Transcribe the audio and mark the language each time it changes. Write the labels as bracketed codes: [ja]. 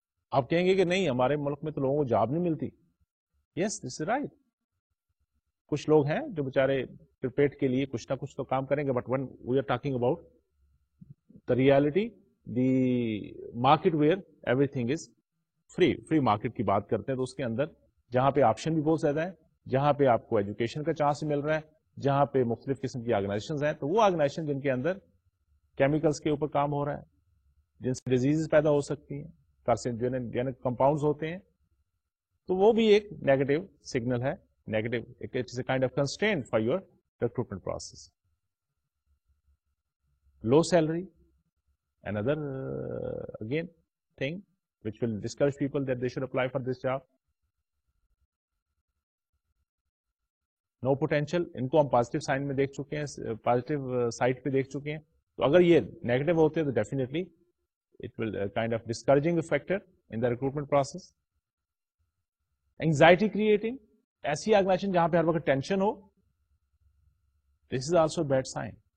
[ur] آپ کہیں گے کہ نہیں ہمارے ملک میں تو لوگوں کو جاب نہیں ملتی. [en] yes this is right, [ur] کچھ لوگ ہیں جو بےچارے پیٹ کے لیے کچھ نہ کچھ تو کام کریں گے, [en] but when we are talking about the reality the market where everything is free, [ur] free market کی بات کرتے ہیں تو اس کے اندر جہاں پہ آپشن بھی بہت زیادہ ہیں, جہاں پہ آپ کو ایجوکیشن کا چانس مل رہا ہے, جہاں پہ مختلف قسم کی آرگنائزیشنز ہیں, تو وہ آرگنائزیشن جن کے اندر کیمیکلز کے اوپر کام ہو رہا ہے, جن سے ڈیزیز پیدا ہو سکتی ہیں, کارسینوجینک کمپاؤنڈز ہوتے ہیں, تو وہ بھی ایک نیگیٹو سگنل ہے, نیگیٹو ایک [en] It's a kind of constraint for your recruitment process. Low salary اندر again thing which will discourage people that they should apply for this job. [ur] Know potential, ان کو ہم پازیٹیو سائن میں دیکھ چکے ہیں, positive site پہ دیکھ چکے ہیں, تو اگر یہ نیگیٹو ہوتے ہیں تو [en] Definitely it will kind of discouraging factor in the recruitment process. [ur] Anxiety creating, ایسی آرگنائزیشن جہاں پہ ہر وقت tension ہو, [en] This is also bad sign.